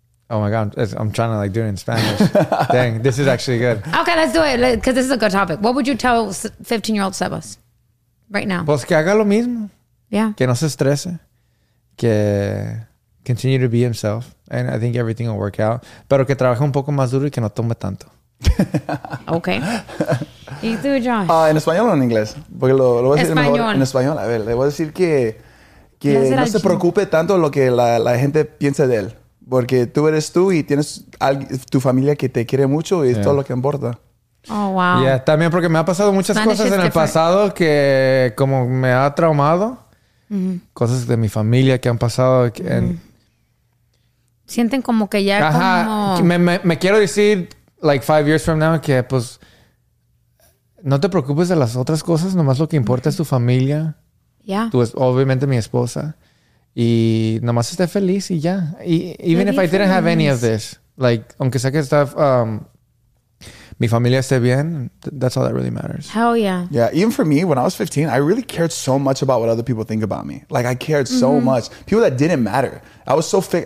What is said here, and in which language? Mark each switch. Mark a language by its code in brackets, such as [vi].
[en] Oh my God, I'm trying to like do it in Spanish. Dang, this is actually good. Okay, let's do it because this is a good topic. What would you tell 15-year-old Sebas right now? [es] Pues que haga lo mismo. [en] Yeah. [es] Que no se estrese. [en] Que continue to be himself. And I think everything will work out. [es] Pero que trabaje un poco más duro y que no tome tanto. [en] Okay. [es] ¿Y tú, Josh? ¿En español o en inglés? Porque lo voy a decir español. En español. A ver, le voy a decir que no se preocupe tanto lo que la gente piense de él. Porque tú eres tú y tienes tu familia que te quiere mucho y es todo lo que importa. [en] Oh, wow. Yeah, [es] también porque me ha pasado muchas cosas en el pasado que como me ha traumado. Mm-hmm. cosas de mi familia que han pasado. [en] And, [es] sienten como que ya ajá, como... Me quiero decir, [en] like 5 years from now, [es] que pues no te preocupes de las otras cosas, nomás lo que importa es tu familia. [en] Yeah. [es] Tú es obviamente mi esposa. Y nomás esté feliz y ya. [en] Y, even if I didn't have any of this, like, [es] aunque sea que está, mi familia esté bien, [en] that's all that really matters. Hell yeah. Yeah, even for me, when I was 15, I really cared so much about what other people think about me. Like, I cared so much. People that didn't matter. I was so fake.